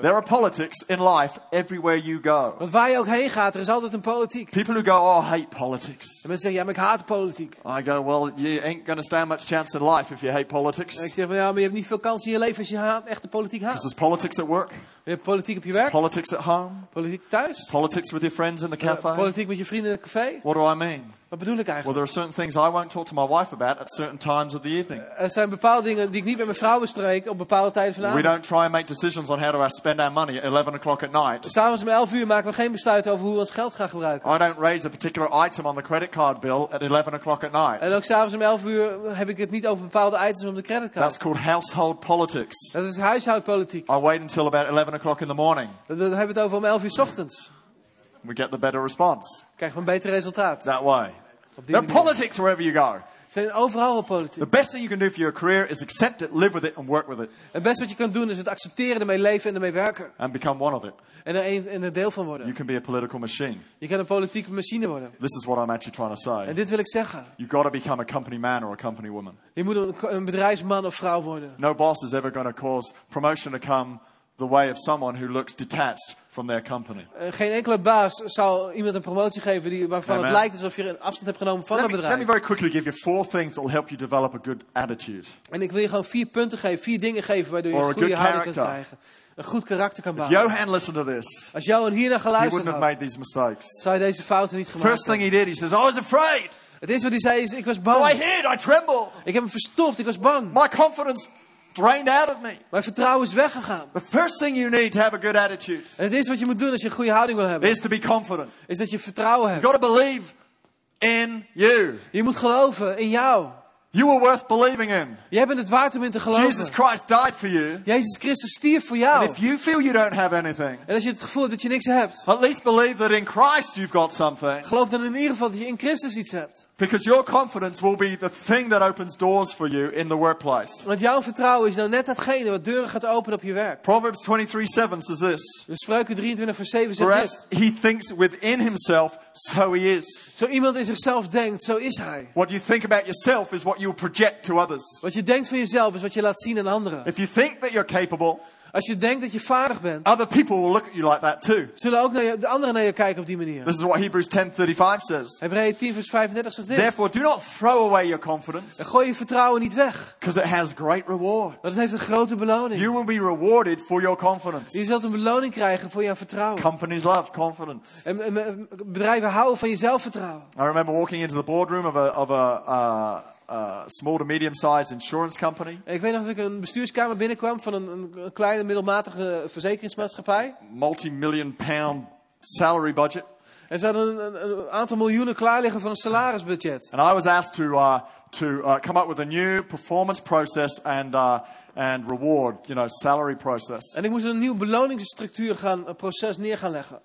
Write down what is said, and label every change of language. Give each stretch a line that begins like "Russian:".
English: There are politics in life everywhere you go.
Dutch: Want waar je ook heen gaat, er is altijd een politiek.
English: People who go, oh, I hate politics.
Dutch: En mensen zeggen, ja, maar ik haat politiek.
English: I go, well, you ain't gonna stand much chance in life if you hate politics.
Dutch: En ik zeg, ja, maar je hebt niet veel kans in je leven als je echte politiek haat.
English: Because there's politics at work.
Dutch: Je hebt politiek op je werk.
English: Politics at home.
Dutch: Politiek thuis.
English: Politics with your friends in the cafe.
Dutch: Politiek met je vrienden in het café.
English: What do I mean?
Dutch: Wat bedoel ik eigenlijk?
English: Well, there are certain things I won't talk to my wife about at certain times of the evening.
Dutch: Er zijn bepaalde dingen die ik niet met mijn vrouw bespreek op bepaalde tijden van de avond.
English: We don't try and make decisions on how to spend our money at 11 o'clock at night.
Dutch: 'S Avonds om 11 uur maken we geen besluiten over hoe we ons geld gaan gebruiken.
English: I don't raise a particular item on the credit card bill at 11 o'clock at night.
Dutch: En ook 's avonds om 11 uur heb ik het niet over bepaalde items op de creditcard.
English: That's called household politics.
Dutch: Dat is huishoudpolitiek.
English: I wait until about 11 o'clock in the morning.
Dutch: Dan hebben we het over om 11 uur 's ochtends.
English: We get the better response.
Dutch: Krijgen we een beter resultaat.
English: That way. There are politics wherever you go.
Dutch: Zijn overal wel politiek.
English: The best thing you can do for your career is accept it, live with it, and work with it.
Dutch: Het beste wat je kan doen is het accepteren, ermee leven en ermee werken.
English: And become one of it.
Dutch: En er deel van worden.
English: You can be a political machine.
Dutch: Je kan een politieke machine worden.
English: This is what I'm actually trying to say.
Dutch: En dit wil ik zeggen.
English: You've got to become a company man or a company woman.
Dutch: Je moet een bedrijfsman of vrouw worden.
English: No boss is ever going to cause promotion to come the way of someone who looks detached from their company.
Dutch: Geen enkele baas zal iemand een promotie geven waarvan het lijkt alsof je een afstand hebt genomen van het bedrijf.
English: Let me very quickly give you four things that will help you develop a good attitude.
Dutch: En ik wil je gewoon vier punten geven, vier dingen geven waardoor je een goede houding kunt krijgen. Een goed karakter kan bouwen.
English: Johan listened to this.
Dutch: Als Johan hier naar geluisterd had,
English: he wouldn't have made these mistakes.
Dutch: Zou hij deze fouten niet gemaakt.
English: First thing he did, he says, I was afraid.
Dutch: Het eerste wat hij zei is, ik was bang.
English: So I hid, I trembled.
Dutch: Ik heb me verstopt, ik was bang.
English: My confidence drained out of me.
Dutch: Mijn vertrouwen is weggegaan.
English: The first thing you need to have a good attitude.
Dutch: En het eerste wat je moet doen als je een goede houding wil hebben.
English: Is to be confident.
Dutch: Is dat je vertrouwen hebt.
English: You got to believe in you.
Dutch: Je moet geloven in jou.
English: You are worth believing in.
Dutch: Jij bent het waard om in te geloven.
English: Jesus Christ died for you.
Dutch: Jezus Christus stierf voor jou.
English: And if you feel you don't have anything.
Dutch: En als je het gevoel hebt dat je niks hebt.
English: At least believe that in Christ you've got something.
Dutch: Geloof dan in ieder geval dat je in Christus iets hebt.
English: Because your confidence will be the thing that opens doors for you in the workplace.
Dutch: Want jouw vertrouwen is nou net datgene wat deuren gaat openen op je werk.
English: Proverbs 23:7 says this.
Dutch: Spreuken 23:7 zegt dit.
English: He thinks within himself, so he is.
Dutch: Zo iemand in zichzelf denkt, zo is hij.
English: What you think about yourself is what you project to others.
Dutch: Wat je denkt van jezelf is wat je laat zien aan anderen.
English: If you think that you're capable,
Dutch: als je denkt dat je vaardig bent,
English: other people will look at you like that too.
Dutch: Zullen ook de anderen naar je kijken op die manier.
English: This is what Hebrews 10:35 says.
Dutch: Hebreeën 10 vers 35 zegt dit.
English: Therefore, do not throw away your confidence.
Dutch: En gooi je vertrouwen niet weg.
English: Because it has great reward.
Dutch: Want het heeft een grote beloning.
English: You will be rewarded for your confidence.
Dutch: Je zult een beloning krijgen voor je vertrouwen.
English: Companies love confidence.
Dutch: En bedrijven houden van je zelfvertrouwen.
English: I remember walking into the boardroom of a small to medium-sized insurance company.
Dutch: Ik weet nog dat ik een bestuurskamer binnenkwam van een kleine middelmatige verzekeringsmaatschappij.
English: Multi-million pound salary budget.
Dutch: En ze hadden een aantal miljoenen klaarliggen van een salarisbudget.
English: And I was asked to come up with a new performance process and reward, you know, salary process.
Dutch: En ik moest een nieuw beloningsstructuur proces neer gaan leggen.